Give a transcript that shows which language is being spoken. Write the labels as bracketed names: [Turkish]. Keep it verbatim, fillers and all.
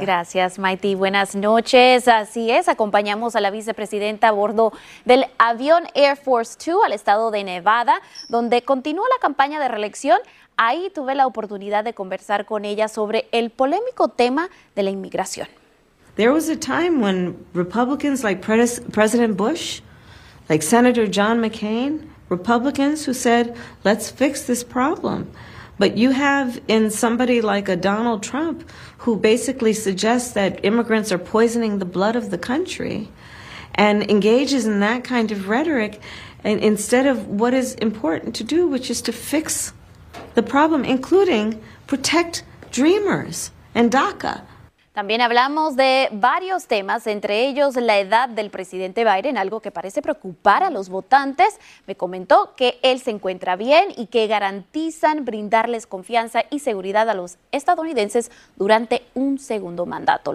[Spanish] Gracias, Maite. Buenas noches. Así es, acompañamos a la vicepresidenta a bordo del avión Air Force Two al estado de Nevada, donde continúa la campaña de reelección. Ahí tuve la oportunidad de conversar con ella sobre el polémico tema de la inmigración. [English] There was a time when Republicans like President Bush, like Senator John McCain, Republicans who said, let's fix this problem. But you have in somebody like a Donald Trump who basically suggests that immigrants are poisoning the blood of the country and engages in that kind of rhetoric and instead of what is important to do, which is to fix the problem, including protect dreamers and DACA. [Spanish] También hablamos de varios temas, entre ellos la edad del presidente Biden, algo que parece preocupar a los votantes. Me comentó que él se encuentra bien y que garantizan brindarles confianza y seguridad a los estadounidenses durante un segundo mandato.